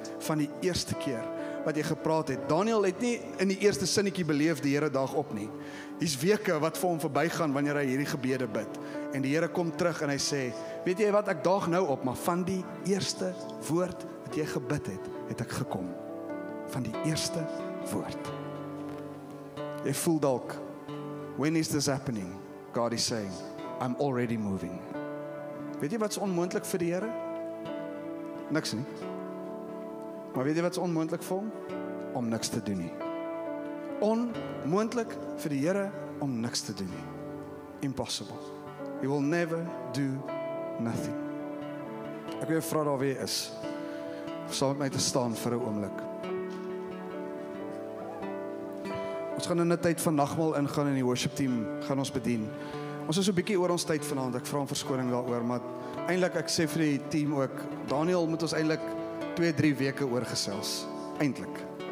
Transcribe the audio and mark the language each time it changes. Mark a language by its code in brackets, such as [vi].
[af] Van die eerste keer wat jy gepraat het. Daniel het nie in die eerste sinnetjie beleef die Here dag op nie. Dis weke wat vir hom verbygaan wanneer hy hierdie gebede bid. En die Here kom terug en hy sê, weet jy wat, ek daag nou op, maar van die eerste woord wat jy gebid het, het ek gekom. Van die eerste woord. Jy voel dalk, [en] when is this happening? God is saying, I'm already moving. [af] Weet jy wat's onmoontlik vir die Here? Niks nie. Maar weet jy wat's onmoontlik vir hom? Om niks te doen nie. Onmoontlik vir die Here om niks te doen nie. [en] Impossible. He will never do nothing. [af] Ek wil vra daar wie is. Saam met my te staan vir 'n oomblik. Ons gaan in 'n tyd van nagmaal ingaan en die worship team gaan ons bedien. Ons is so 'n bietjie oor ons tyd vanaand. Ek vra om verskoning daaroor, maar eintlik ek sê vir die team ook, Daniel moet ons eintlik 2-3 weke oor gesels. Eintlik.